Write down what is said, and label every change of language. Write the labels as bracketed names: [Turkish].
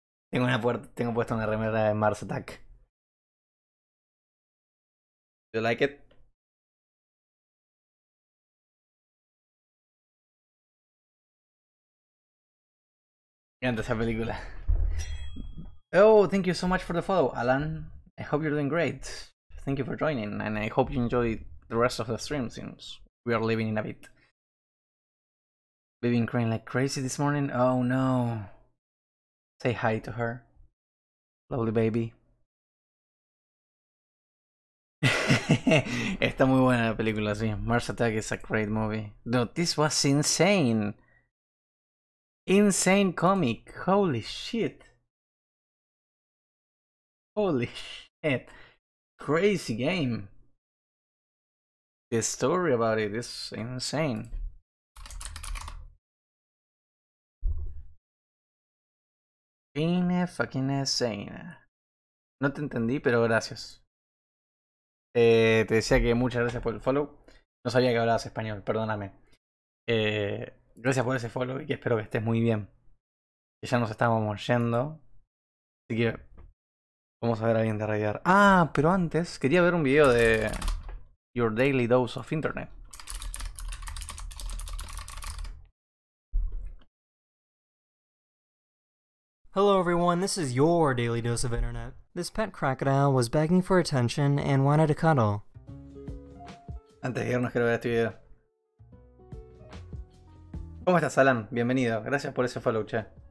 [Spanish] Tengo una puerta, tengo puesta una remera de Mars Attack. [English] Do you like it? [Spanish] Me encanta esa película. [English] Oh, thank you so much for the follow, Alan. I hope you're doing great. Thank you for joining, and I hope you enjoy the rest of the stream, since we are living in a bit. We've been crying like crazy this morning. Oh no. Say hi to her. Lovely baby. [Spanish] Está muy buena la película, sí. [English] Mars Attack is a great movie. No, this was insane. Insane comic. Holy shit. Holy shit. Crazy game. The story about it is insane. Fucking insane. [Spanish] No te entendí, pero gracias. Te decía que muchas gracias por el follow. No sabía que hablabas español, perdóname. Gracias por ese follow y que espero que estés muy bien. Que ya nos estábamos yendo. Así que vamos a ver a alguien de radiar. Ah, pero antes quería ver un video de Your Daily Dose of Internet. [English] Hello everyone, this is your daily dose of internet. This pet crocodile was begging for attention and wanted a cuddle. [Spanish] Antes de irnos, quiero ver este video. ¿Cómo estás, Alan? Bienvenido. Gracias por ese follow, che.